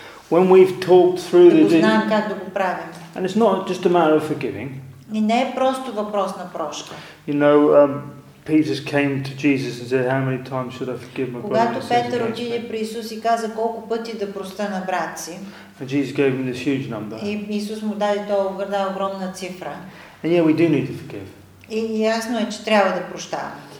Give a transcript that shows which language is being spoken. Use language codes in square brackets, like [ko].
[en] When we've talked through [bg] да го знаем как да го правим. [en] And it's not just a matter of forgiving. [bg] И не е просто въпрос на прошка. [en] You know, Peter came to Jesus and said, "How many times should I forgive my brother?" [bg] Когато Петър отиде при Исус и каза колко пъти да проста на брат си. [en] And Jesus gave him this huge number. [bg] И Исус му даде толкова огромна цифра. [en] And yeah, we do need to forgive. [bg] И ясно е, че трябва да прощаваме.